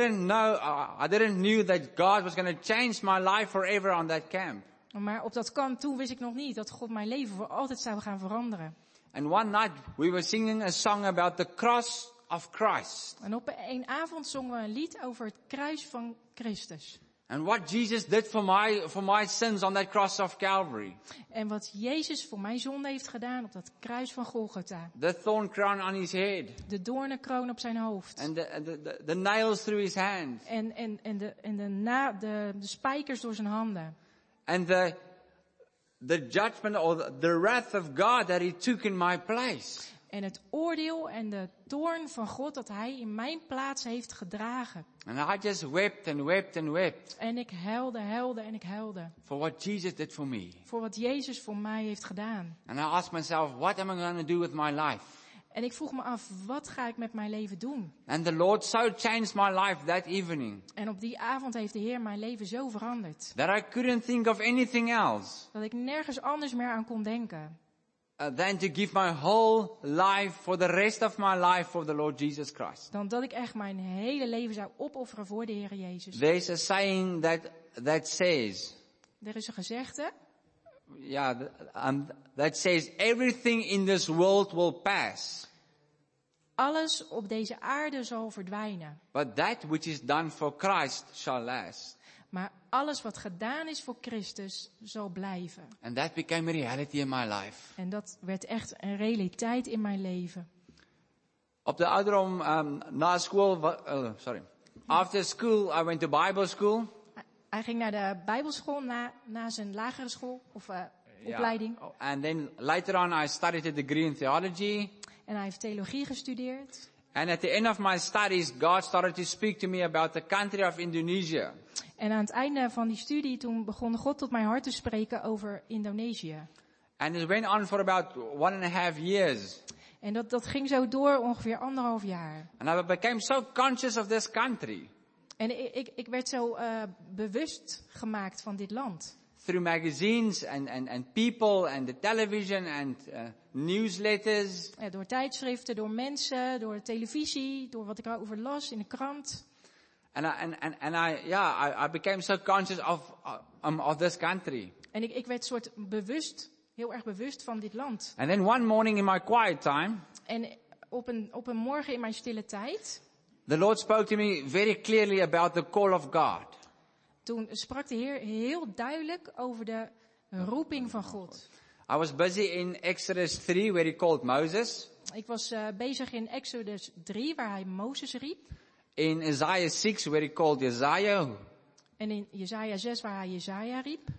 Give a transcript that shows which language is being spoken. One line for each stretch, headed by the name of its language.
English: I didn't know that God was going to change my life forever on that camp.
Dutch: Maar op dat kamp toen wist ik nog niet dat God mijn leven voor altijd zou gaan veranderen.
English: And one night we were singing a song about the cross of Christ.
Dutch: En op een avond zongen we een lied over het kruis van Christus.
English: And what Jesus did for my sins on that cross of Calvary.
Dutch: En wat Jezus voor mijn zonde heeft gedaan op dat kruis van Golgotha.
English: The thorn crown on his head.
Dutch: De doornenkroon op zijn hoofd.
English: And the nails through his hand.
Dutch: En de spijkers door zijn handen.
English: And the judgment or the wrath of God that he took in my place.
Dutch: En het oordeel en de toorn van God dat hij in mijn plaats heeft gedragen.
English: And I just wept and wept and wept.
Dutch: En ik huilde en ik huilde.
English: For what Jesus did for me.
Dutch: Voor wat Jezus voor mij heeft gedaan.
English: And I asked myself, what am I going to do with my life?
Dutch: En ik vroeg me af, wat ga ik met mijn leven doen?
English: And the Lord so changed my life that evening.
Dutch: En op die avond heeft de Heer mijn leven zo veranderd.
English: That I couldn't think of anything else.
Dutch: Dat ik nergens anders meer aan kon denken.
English: Than to give my whole life for the rest of my life for the Lord Jesus Christ.
Dutch: Dan dat ik echt mijn hele leven zou opofferen voor de Heer Jezus.
English: There's a saying that says.
Dutch: Er is een gezegde.
English: Ja, that says everything in this world will pass.
Dutch: Alles op deze aarde zal verdwijnen.
English: But that which is done for Christ shall last.
Dutch: Maar alles wat gedaan is voor Christus zal blijven.
English: And that became a reality in my life.
Dutch: En dat werd echt een realiteit in mijn leven. Op de ouderdom na school,
English: after school, I went to Bible school.
Dutch: Hij ging naar de Bijbelschool na zijn lagere school of opleiding.
English: And then later on, I studied a degree in theology.
Dutch: En hij heeft theologie gestudeerd.
English: And at the end of my studies, God started to speak to me about the country of Indonesia.
Dutch: En aan het einde van die studie toen begon God tot mijn hart te spreken over Indonesië.
English: And it went on for about 1.5 years.
Dutch: En dat ging zo door ongeveer 1.5 jaar.
English: And I became so conscious of this country.
Dutch: En ik werd zo bewust gemaakt van dit land.
English: Through magazines and people and the television and newsletters.
Dutch: Ja, door tijdschriften, door mensen, door televisie, door wat ik erover las in de krant.
English: And I became so conscious of this country.
Dutch: En ik werd soort bewust, heel erg bewust van dit land.
English: And then one morning in my quiet time.
Dutch: En op een morgen in mijn stille tijd.
English: The Lord spoke to me very clearly about the call of God.
Dutch: Toen sprak de Heer heel duidelijk over de roeping van God.
English: I was busy in Exodus 3 where he called Moses.
Dutch: Ik was bezig in Exodus 3 waar hij Mozes riep.
English: In Isaiah 6 where he called Isaiah.
Dutch: En in Jesaja 6 waar hij Jesaja riep.